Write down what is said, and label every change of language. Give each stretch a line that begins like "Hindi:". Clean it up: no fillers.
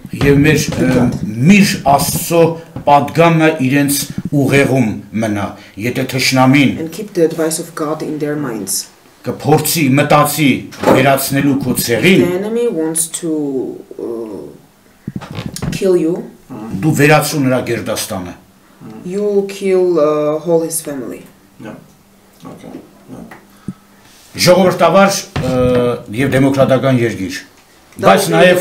Armenian: Եվ մեր միր աստծո պատգամը իրենց ուղեղում մնա, եթե թշնամին
English: and keep the advice of God in their minds.
Armenian: Կփորձի մտածի վերացնելու քո ցեղին,
English: the enemy wants to kill you,
Armenian: դու վերացու նրա գերդաստանը,
English: you kill whole his family,
Armenian: ժողովրդավար եւ դեմոկրատական երկիր, բայց նաեւ